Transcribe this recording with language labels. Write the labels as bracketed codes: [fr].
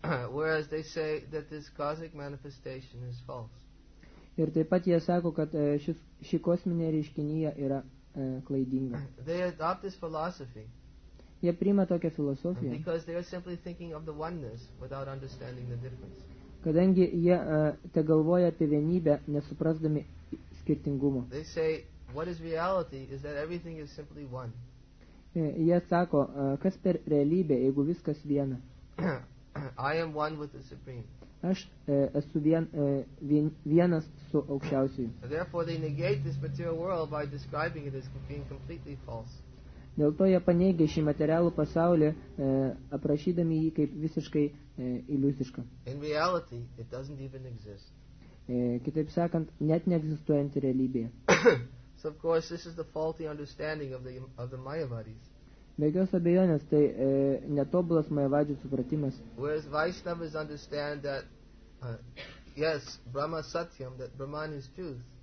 [en] Whereas they say that this cosmic manifestation is false. [lt] Ir taip pat jie sako, kad ši kosminė reiškinyja yra klaidinga. [en] They adopt this philosophy. [lt] Jie priima tokią filosofiją. [en] Because they are simply thinking of the oneness without understanding the difference. [lt] Kadangi jie te galvoja apie vienybę, nesuprasdami skirtingumo. [en] They say, what is reality is that everything is simply one. [lt] Jie sako, kas per realybę, jeigu viskas viena. [en] I am one with the Supreme. [lt] Aš esu vienas su aukščiausiu. [en] Therefore they negate this material world by describing it as being completely false. [lt] Dėl to jie paneigė šį materialų pasaulį, aprašydami jį kaip visiškai iliuzišką. [en] In reality, it doesn't even exist. [lt] Kitaip sakant, net neegzistuojantį realybėje. [en] So of course, this is the faulty understanding of the Mayavadis. [lt] Begios abejonės, tai netobulas Mayavadžių supratimas. [en] Whereas Vaishnavas understand that, yes, Brahma Satyam, that Brahman is truth.